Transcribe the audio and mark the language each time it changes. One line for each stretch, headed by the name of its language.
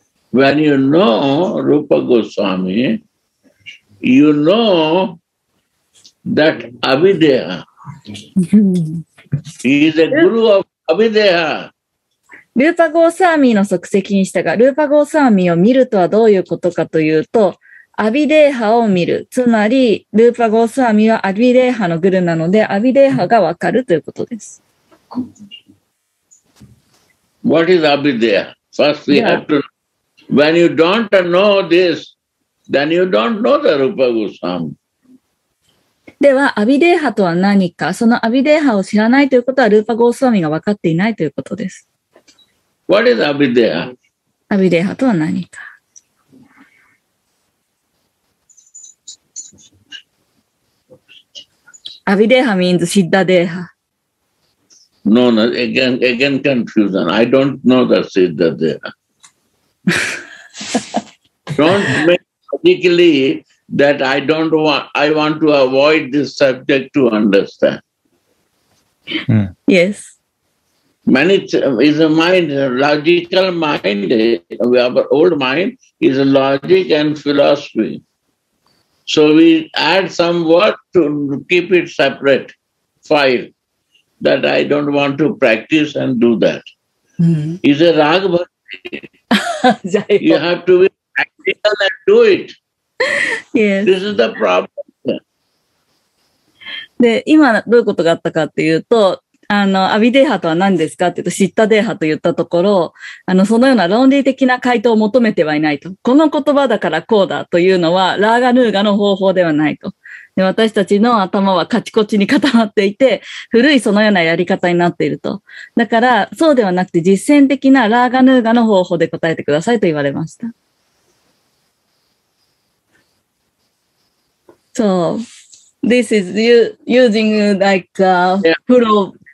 English: When you know Rupa Goswami, you know that Abhideha. He is a guru of Abhideha.
Japanese: ルーパゴースワミの即席にしたが、ルーパゴースワミを見るとはどういうことかというと、アビデーハを見る。つまり、ルーパゴースワミはアビデーハのグルなので、アビデーハがわかるということです。
English: What is Abhideha? First we have to know. When you don't know this, then you don't know the Rupa Goswami.
Japanese: では、アビデーハとは何か、そのアビデーハを知らないということは、ルーパゴースワミがわかっていないということです。 What is Abhideha? アビデーハとは何か。
English: アビデーハ means シッダデーハ。 No, no, again confusion. I don't know the シッダデーハ。 Don't make particularly that I don't want, I want to avoid this subject to understand. Yes. Many is a mind, logical mind, our old mind is logic and philosophy. So we add some word to keep it separate, file, that I don't want to practice and do that. Is a rag bhakti. You have to be practical and do it. Yes. This is the problem.
Japanese: で、今どういうことがあったかっていうと、あの、アビデーハとは何ですかって言うと、シッタデーハと言ったところ、あの、そのような論理的な回答を求めてはいないと。この言葉だからこうだというのは、ラーガヌーガの方法ではないと。で、私たちの頭はカチコチに固まっていて、古いそのようなやり方になっていると。だから、そうではなくて実践的なラーガヌーガの方法で答えてくださいと言われました。
English: So, this is you, using like a flow.